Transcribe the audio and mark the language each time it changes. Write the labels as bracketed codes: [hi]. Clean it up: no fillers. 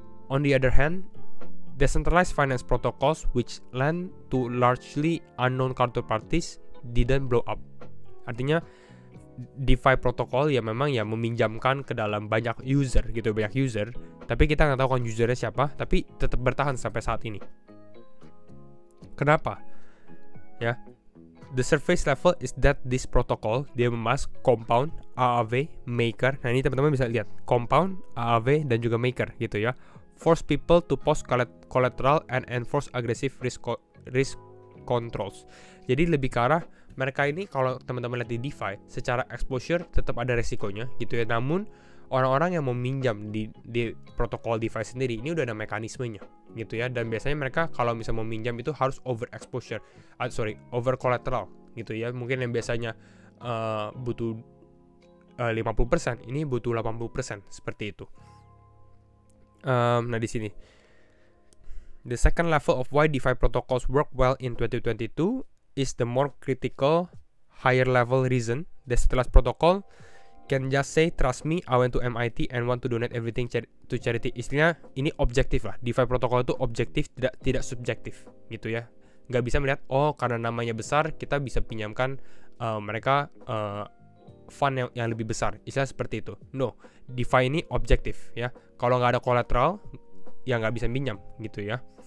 [en] On the other hand, decentralized finance protocols which lend to largely unknown counterparties didn't blow up. [id] Artinya DeFi protocol ya memang ya meminjamkan ke dalam banyak user gitu, banyak user, tapi kita enggak tahu kan usernya siapa, tapi tetap bertahan sampai saat ini. Kenapa? Ya. [en] The surface level is that this protocol, [id] dia membahas [en] Compound, Aave, Maker. [id] Nah ini teman-teman bisa lihat, Compound, Aave, dan juga Maker gitu ya. [en] Force people to post collateral and enforce aggressive risk controls. [id] Jadi lebih ke arah, mereka ini kalau teman-teman lihat di DeFi, secara exposure tetap ada resikonya gitu ya. Namun, orang-orang yang mau minjam di protokol DeFi sendiri, ini udah ada mekanismenya gitu ya. Dan biasanya mereka kalau misalnya mau minjam itu harus over exposure, over collateral gitu ya. Mungkin yang biasanya butuh 50%, ini butuh 80%, seperti itu. Nah di sini, [en] the second level of why DeFi protocols work well in 2022 is the more critical, higher level reason. The setelah protocol can just say, trust me, I went to MIT and want to donate everything to charity. [id] Istilahnya, ini objektif lah. DeFi protokol itu objektif, tidak subjektif. Gitu ya. Nggak bisa melihat, oh, karena namanya besar, kita bisa pinjamkan mereka fund yang lebih besar. Istilahnya seperti itu. No, DeFi ini objektif. Ya. Kalau nggak ada collateral, ya nggak bisa pinjam. Gitu ya.